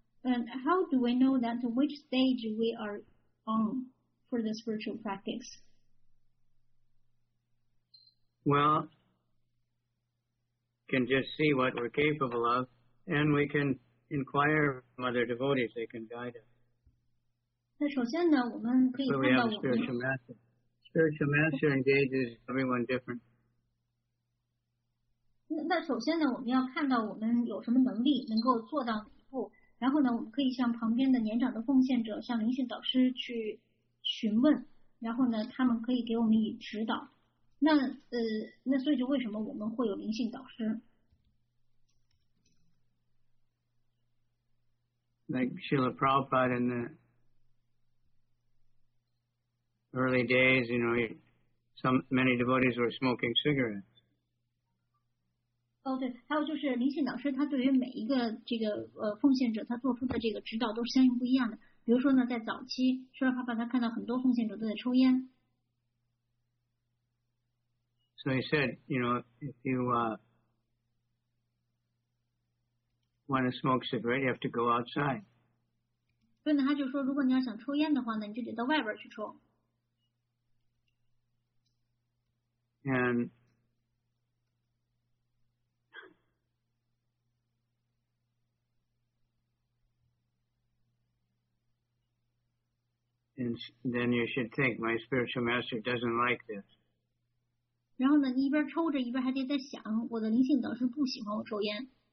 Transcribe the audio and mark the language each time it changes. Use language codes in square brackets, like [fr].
[en] How do we know that which stage we are on for the spiritual practice? Well, we can just see what we're capable of, and we can inquire from other devotees. They can guide us. [zh] 那首先呢，我们可以看到我们。 [en] We have a spiritual master. Spiritual master engages everyone different. [zh] 那首先呢，我们要看到我们有什么能力能够做到。然后呢，我们可以向旁边的年长的奉献者，向灵性导师去询问，然后呢，他们可以给我们以指导。那所以就为什么我们会有灵性导师 [en] ？Like Srila Prabhupada in the early days, you know, many devotees were smoking cigarettes. [zh] 哦，对，还有就是灵性导师他对于每一个这个奉献者他做出的这个指导都是相应不一样的。比如说呢，在早期，舍利帕帕他看到很多奉献者都在抽烟。 [en] So he said, you know, if you want to smoke cigarette, you have to go outside. [zh] 所以呢，他就说，如果你要想抽烟的话呢，你就得到外边去抽。 [en] And then you should think, my spiritual master doesn't like this. [zh] 然后呢，你一边抽着，一边还得在想，我的灵性导师不喜欢我抽烟。